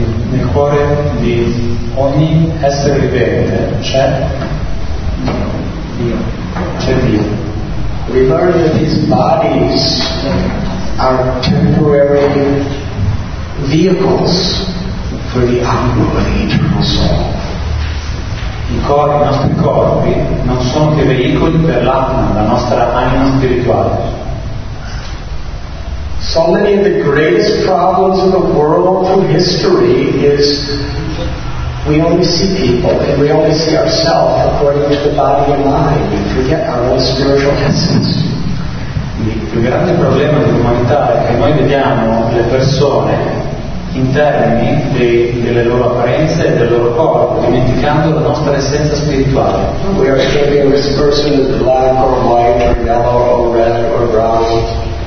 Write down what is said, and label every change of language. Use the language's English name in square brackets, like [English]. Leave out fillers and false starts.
[Italian] Nel cuore di ogni essere vivente c'è Dio. C'è Dio. [English] We learn that these bodies are temporary vehicles for the outgrowth of the eternal soul. [Italian] I corpi, i nostri corpi, non sono che veicoli per l'anima, la nostra anima spirituale. [English] So many of the greatest problems in the world through history is we only see people and we only see ourselves according to the body and mind. We forget our own spiritual essence. [Italian] Il più grande problema dell'umanità è che noi vediamo le persone in termini delle loro apparenze e del loro corpo, dimenticando la nostra essenza spirituale. [English] We are thinking this person is black or white or yellow or red or brown.